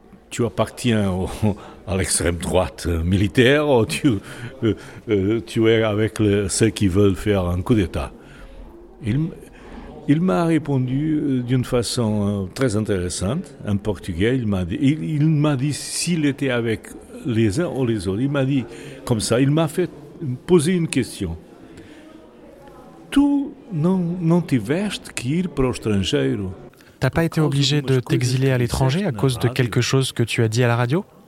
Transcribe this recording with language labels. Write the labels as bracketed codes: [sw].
[fr] Tu appartiens à l'extrême droite militaire ou tu es avec ceux qui veulent faire un coup d'État? Il m'a répondu d'une façon très intéressante en portugais. Il m'a dit s'il était avec les uns ou les autres. Il m'a dit comme ça. Il m'a fait poser une question. [pt] Tu non tiveste que ir para o estrangeiro? [fr] T'as pas été obligé de t'exiler à l'étranger à cause de quelque chose que tu as dit à la radio?